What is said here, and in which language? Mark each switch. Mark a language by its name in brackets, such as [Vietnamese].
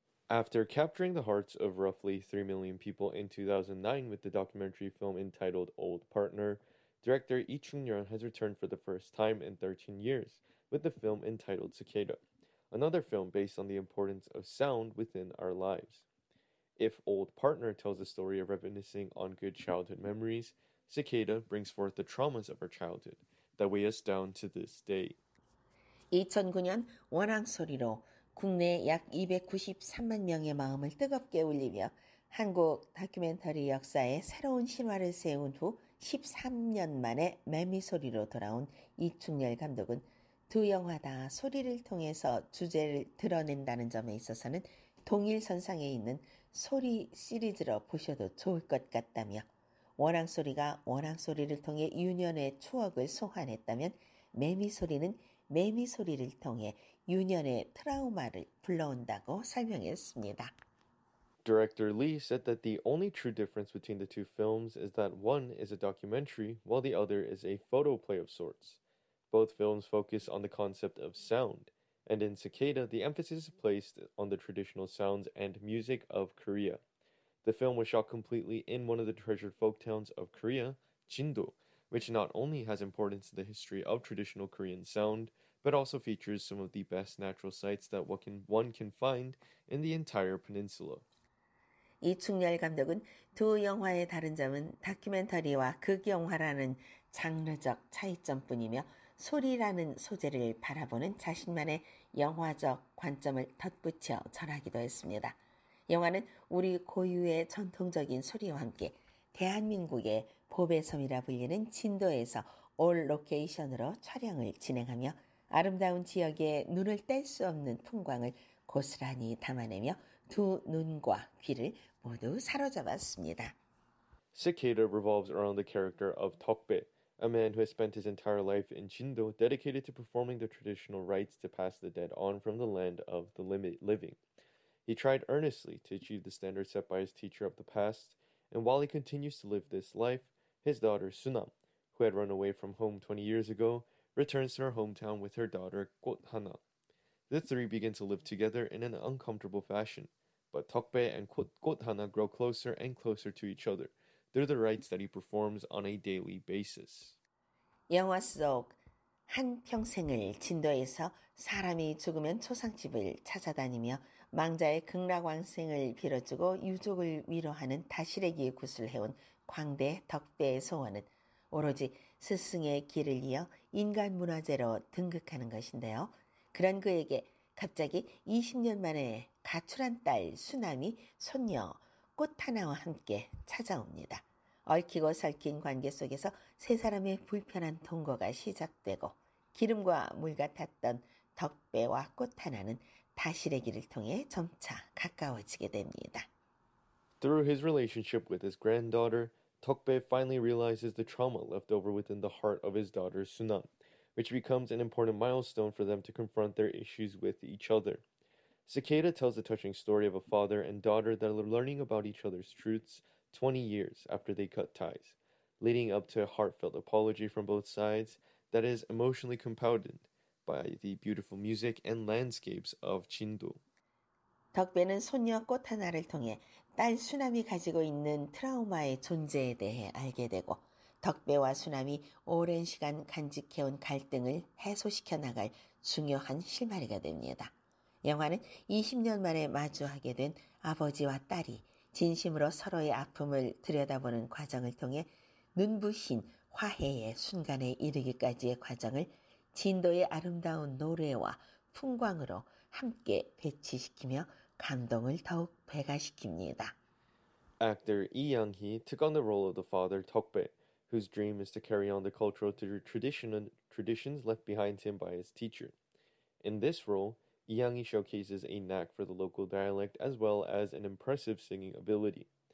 [English] After capturing the hearts of roughly 3 million people in 2009 with the documentary film entitled Old Partner, director Lee Chung-yeol has returned for the first time in 13 years with the film entitled Cicada, another film based on the importance of sound within our lives. If Old Partner tells a story of reminiscing on good childhood memories, Cicada brings forth the traumas of our childhood that weigh us down to this day. [Korean] 2009년 원앙 소리로 국내 약 293만 명의 마음을 뜨겁게 울리며 한국 다큐멘터리 역사에 새로운 신화를 세운 후 13년 만에 매미소리로 돌아온 이충열 감독은 두 영화 다 소리를 통해서 주제를 드러낸다는 점에 있어서는 동일선상에 있는 소리 시리즈로 보셔도 좋을 것 같다며 원앙 소리가 원앙 소리를 통해 유년의 추억을 소환했다면 매미소리는 매미소리를 통해 유년의 트라우마를 불러온다고 설명했습니다. [English] Director Lee said that the only true difference between the two films is that one is a documentary while the other is a photo play of sorts. Both films focus on the concept of sound, and in Cicada, the emphasis is placed on the traditional sounds and music of Korea. The film was shot completely in one of the treasured folk towns of Korea, Jindo, which not only has importance to the history of traditional Korean sound, but also features some of the best natural sights that one can find in the entire peninsula. [Korean] 이충열 감독은 두 영화의 다른 점은 다큐멘터리와 극영화라는 장르적 차이점뿐이며 소리라는 소재를 바라보는 자신만의 영화적 관점을 덧붙여 전하기도 했습니다. 영화는 우리 고유의 전통적인 소리와 함께 대한민국의 보배섬이라 불리는 진도에서 올 로케이션으로 촬영을 진행하며 아름다운 지역의 눈을 뗄 수 없는 풍광을 고스란히 담아내며 두 눈과 귀를 모두 사로잡았습니다. [English] Cicada revolves around the character of Tokbe, a man who has spent his entire life in Jindo dedicated to performing the traditional rites to pass the dead on from the land of the living. He tried earnestly to achieve the standard set by his teacher of the past, and while he continues to live this life, his daughter, Sunam, who had run away from home 20 years ago, returns to her hometown with her daughter, Kothana. The three begin to live together in an uncomfortable fashion, but Tokbe and Kothana grow closer and closer to each other through the rites that he performs on a daily basis. [Korean] 영화 속 한 평생을 진도에서 사람이 죽으면 초상집을 찾아다니며 망자의 극락왕생을 빌어주고 유족을 위로하는 다시래기의 구슬을 해온 광대 덕대의 소원은 오로지 스승의 길을 이어 인간 문화재로 등극하는 것인데요. 그런 그에게 갑자기 20년 만에 가출한 딸 수남이 손녀 꽃하나와 함께 찾아옵니다. 얽히고 설킨 관계 속에서 세 사람의 불편한 동거가 시작되고 기름과 물 같았던 덕배와 꽃하나는 다시래기를 통해 점차 가까워지게 됩니다. [English] Through his relationship with his granddaughter, Tokbe finally realizes the trauma left over within the heart of his daughter Sunam, which becomes an important milestone for them to confront their issues with each other. Cicada tells a touching story of a father and daughter that are learning about each other's truths 20 years after they cut ties, leading up to a heartfelt apology from both sides that is emotionally compounded by the beautiful music and landscapes of Jin-do. [Korean] 덕배는 손녀 꽃 하나를 통해 딸 수남이 가지고 있는 트라우마의 존재에 대해 알게 되고 덕배와 수남이 오랜 시간 간직해온 갈등을 해소시켜 나갈 중요한 실마리가 됩니다. 영화는 20년 만에 마주하게 된 아버지와 딸이 진심으로 서로의 아픔을 들여다보는 과정을 통해 눈부신 화해의 순간에 이르기까지의 과정을 진도의 아름다운 노래와 풍광으로 함께 배치시키며 감동을 더욱 배가시킵니다. [English] Actor Lee Young-hee took on the role of the father, Deok-bae, whose dream is to carry on the cultural traditions left behind him by his teacher. In this role, Lee Young-hee showcases a knack for the local dialect as well as an impressive singing ability.